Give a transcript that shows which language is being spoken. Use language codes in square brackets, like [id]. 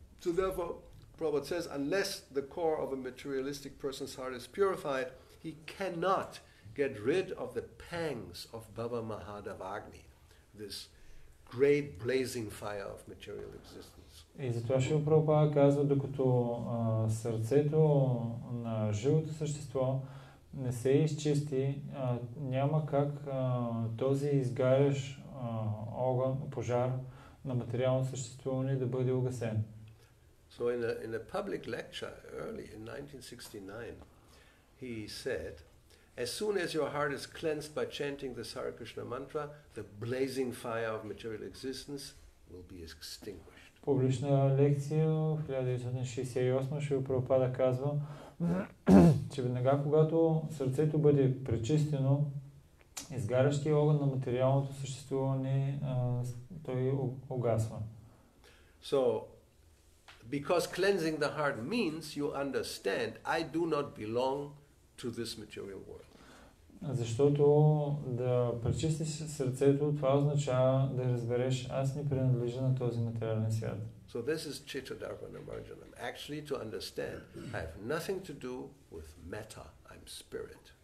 [en] So therefore, Prabhupada says, unless the core of a materialistic person's heart is purified, he cannot get rid of the pangs of Bhava Mahadava Agni, this great blazing fire of material existence. [bg] И затова Шрила Прабхупада казва, докато сърцето на живото същество не се изчисти, няма как този изгарящ огън, пожар на материално съществуване да бъде угасен. [en] So in a public lecture early in 1969, he said, as soon as your heart is cleansed by chanting the Hare Krishna mantra, the blazing fire of material existence will be extinguished. [bg] Публична лекция в 1968 Шрила Прабхупада казва, че веднага, когато сърцето бъде пречистено, изгарящия огън на материалното съществуване, той угасва. [en] So, because cleansing the heart means you understand, I do not belong to this material world. [bg] Защото да пречистиш сърцето, това означава да разбереш, аз не принадлежа на този материален свят. [en] So this is Chittadharpana Marjanam. Actually, to understand, I have nothing to do with metta, I'm spirit.